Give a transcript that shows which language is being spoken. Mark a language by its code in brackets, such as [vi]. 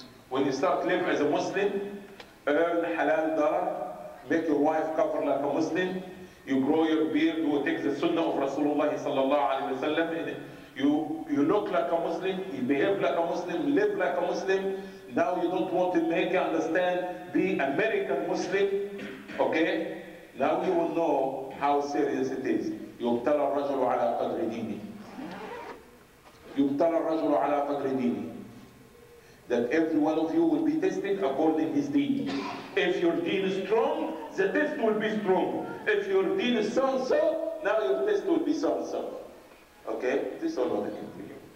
[en] When you start living as a Muslim, earn halal dar, make your wife cover like a Muslim, you grow your beard, you take the sunnah of Rasulullah sallallahu alayhi wa sallam, you look like a Muslim, you behave like a Muslim, live like a Muslim, now you don't want to make you understand, be American Muslim, okay? Now you will know how serious it is. [ar] يبتلى الرجل على قدر دينه. يبتلى الرجل على قدر دينه. [en] That every one of you will be tested according to his deen. If your deen is strong, the test will be strong. If your deen is so-and-so, now your test will be so-and-so. Okay? This is all that I can tell you.